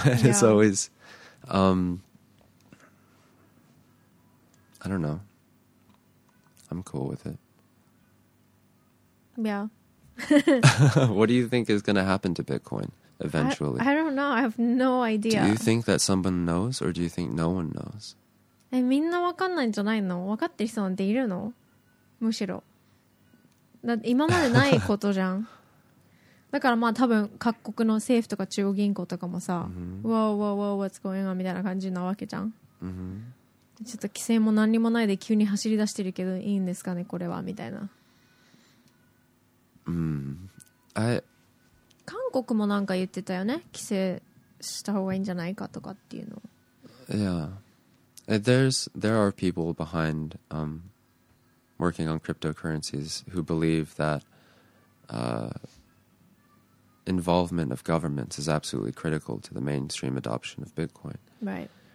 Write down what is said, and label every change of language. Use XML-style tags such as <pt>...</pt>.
<en>And yeah, it's always I don't know, I'm cool with it. Yeah. What do you think is going to happen to Bitcoin eventually? I don't know, I have no idea. Do you think that someone knows, or do you think no one knows?</en> <ja>え、みんな分かんないんじゃないの？分かってる人なんているの？むしろだって今までないことじゃん。だからまあ多分各国の政府とか中央銀行とかもさ、わーわーわー、</ja> <en>what's going on</en> <ja>みたいな感じなわけじゃん、 mm-hmm. ちょっと規制も何にもないで急に走り出してるけどいいんですかねこれはみたいな、 mm-hmm. 韓国もなんか言ってたよね、規制した方がいいんじゃないかとかっていうの。いや、</ja> <en>There are people behind working on cryptocurrencies who believe that involvement of governments is absolutely critical to the mainstream adoption of Bitcoin. Right.</en>